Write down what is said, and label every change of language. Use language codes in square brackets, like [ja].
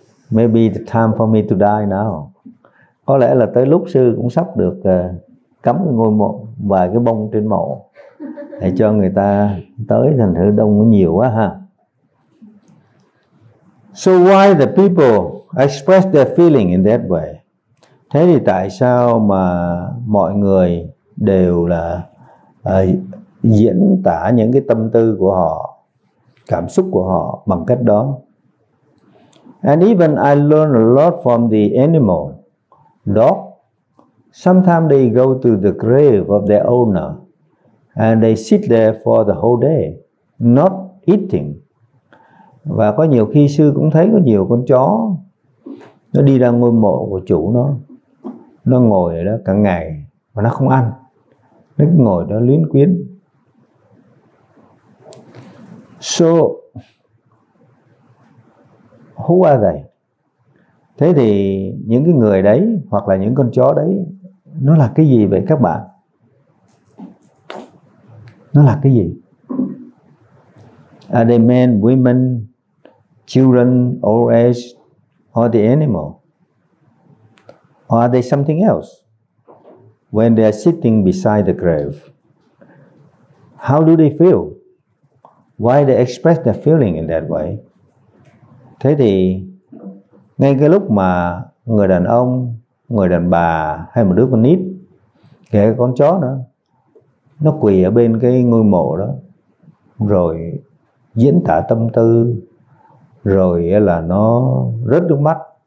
[en] Maybe the time for me to die now. [vi] Có lẽ là tới lúc sư cũng sắp được cắm cái ngôi mộ, vài cái bông trên mộ, để cho người ta tới, thành thử đông nhiều quá ha. [en] So why the people express their feeling in that way? [vi] Thế thì tại sao mà mọi người đều là diễn tả những cái tâm tư của họ, cảm xúc của họ bằng cách đó? [en] And even I learn a lot from the animal dog. Sometimes they go to the grave of their owner and they sit there for the whole day, not eating. [vi] Và có nhiều khi sư cũng thấy có nhiều con chó, nó đi ra ngôi mộ của chủ nó, nó ngồi ở đó cả ngày mà nó không ăn, nó ngồi đó luyến quyến. [en] So who are they? [vi] Thế thì những cái người đấy hoặc là những con chó đấy, nó là cái gì vậy các bạn? Nó là cái gì? [en] Are they men, women, children, old age, or the animal? Or are they something else? When they are sitting beside the grave, how do they feel? Why they express their feeling in that way? [vi] Thế thì ngay cái lúc mà người đàn ông, người đàn bà hay một đứa con nít, kể cả con chó nữa, nó quỳ ở bên cái ngôi mộ đó, rồi diễn tả tâm tư, rồi là nó rớt nước mắt.